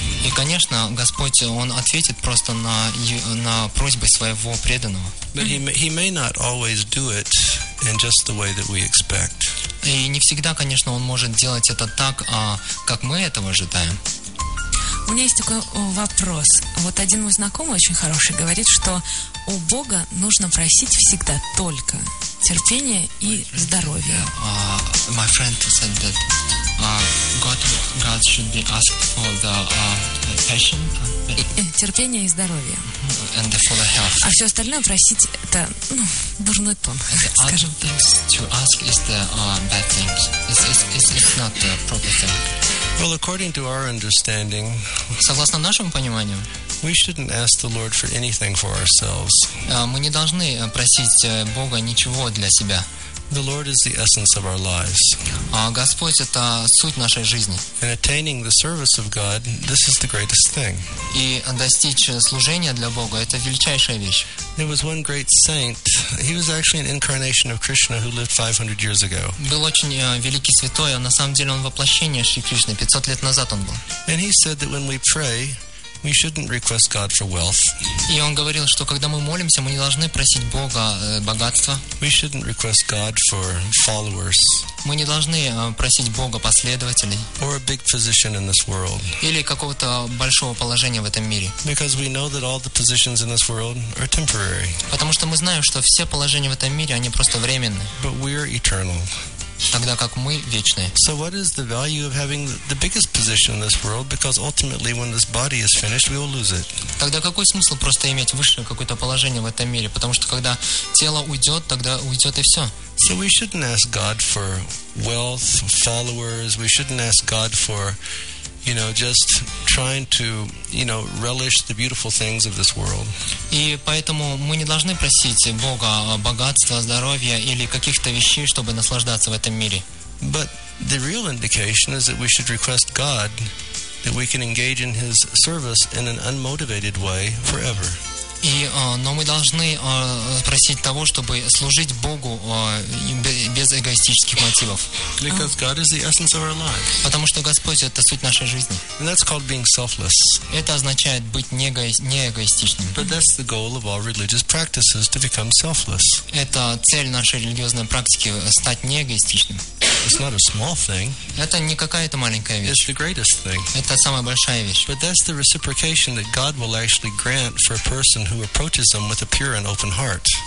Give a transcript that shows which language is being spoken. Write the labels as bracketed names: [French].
[Russian] И, конечно, Господь, Он ответит просто на просьбы своего преданного. [English] But he may not always do it in just the way that we expect. [Russian] И не всегда, конечно, он может делать это так, как мы этого ожидаем. У меня есть такой вопрос. Вот один мой знакомый очень хороший говорит, что у Бога нужно просить всегда только терпение и здоровье. [English] My friend said that God should be asked for the passion. [Russian] Терпение и здоровье. [English] And for the health. [Russian] А все остальное просить это, ну, дурной тон, скажем. [English] The things to ask is the bad things. It's not the proper thing. Well, according to our understanding, [Russian] согласно нашему пониманию, [English] we shouldn't ask the Lord for anything for ourselves. [Russian] Мы не должны просить Бога ничего для себя. [English] The Lord is the essence of our lives. [Russian] Господь — это суть нашей жизни. [English] And attaining the service of God, this is the greatest thing. [Russian] И достичь служения для Бога — это величайшая вещь. [English] There was one great saint. He was actually an incarnation of Krishna who lived 500 years ago. [Russian] Был очень великий святой, на самом деле он воплощение Шри Кришны, 500 лет назад он был. [English] And he said that when we pray, we shouldn't request God for wealth. [Russian] И он говорил, что когда мы молимся, мы не должны просить Бога богатства. [English] We shouldn't request God for followers. [Russian] Мы не должны просить Бога последователей. [English] Or a big position in this world. [Russian] Или какого-то большого положения в этом мире. [English] Because we know that all the positions in this world are temporary. [Russian] Потому что мы знаем, что все положения в этом мире, они просто временны. [English] But we are eternal. [Russian] Тогда как мы вечны. [English] So what is the value of having the biggest position in this world? Because ultimately, when this body is finished, we will lose it. [Russian] Тогда какой смысл просто иметь высшее какое-то положение в этом мире? Потому что когда тело уйдет, тогда уйдет и все. [English] So we shouldn't ask God for wealth, followers. We shouldn't ask God for, you know, just trying to, you know, relish the beautiful things of this world. [Russian] И поэтому мы не должны просить Бога богатства, здоровья или каких-то вещей, чтобы наслаждаться в этом мире. [English] But the real indication is that we should request God that we can engage in His service in an unmotivated way forever. [Russian] И, но мы должны просить того, чтобы служить Богу без эгоистических мотивов. [English] Because God is the essence of our lives. [Russian] Потому что Господь — это суть нашей жизни. [English] And that's called being selfless. [Russian] Это означает быть не эгоистичным. [English] But that's the goal of all religious practices, to become selfless. [Russian] Это цель нашей религиозной практики — стать не эгоистичным. [English] It's not a small thing. [Russian] Это не какая-то маленькая вещь. [English] It's the greatest thing. [Russian] Это самая большая вещь. [English] But that's the reciprocation that God will actually grant for a person who approaches Him with a pure and open heart.